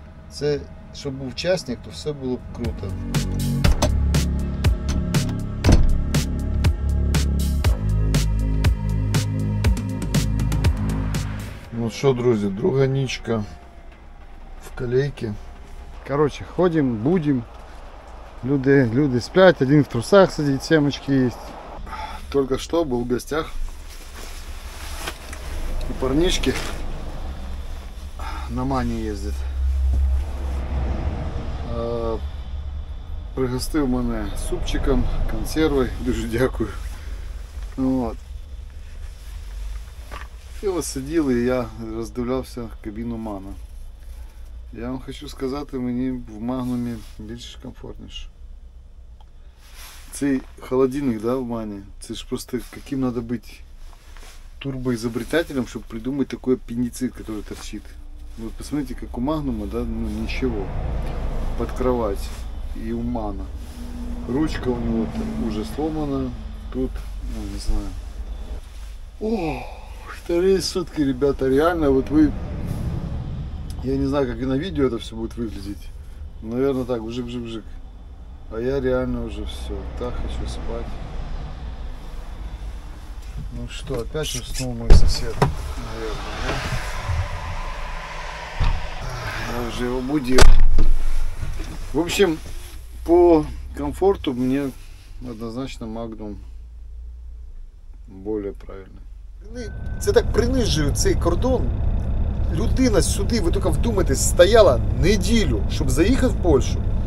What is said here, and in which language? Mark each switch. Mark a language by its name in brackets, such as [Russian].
[Ukrainian] Це, щоб був учасник, то все було б круто. Ну що, друзі, друга нічка в колейці. [Russian] Короче, ходим, будем. Люди спят, один в трусах сидит, семечки есть. Только что был в гостях у парнишки, на мане ездит. Пригостил меня супчиком, консервой, [Ukrainian] дуже дякую. [Russian] Вот. И вот сидел, и я раздивлялся кабину мана. Я вам хочу сказать, мне в магнуме больше комфортнее. [Ukrainian] Цей холодильник, да, в мане, це ж просто яким треба бути турбоізобретателем, щоб придумати такий апендицит, який торчить. Ви посмотрите, як у Магнума, да, ну нічого. Під кровать і у мана. Ручка у нього там уже сломана. Тут, ну, не знаю. [Russian] О, вторые сутки, ребята, реально, вот вы. Я не знаю, как и на видео это все будет выглядеть. Наверное, так, вжик-вжик-вжик. А я реально уже все, так хочу спать. Ну что, опять уснул мой сосед, наверное, да? Я уже его будил. В общем, по комфорту мне однозначно Magnum более правильный. [Ukrainian] Це так принижує цей кордон. Людина сюди, ви тільки вдумайтесь, стояла неділю, щоб заїхати в Польщу.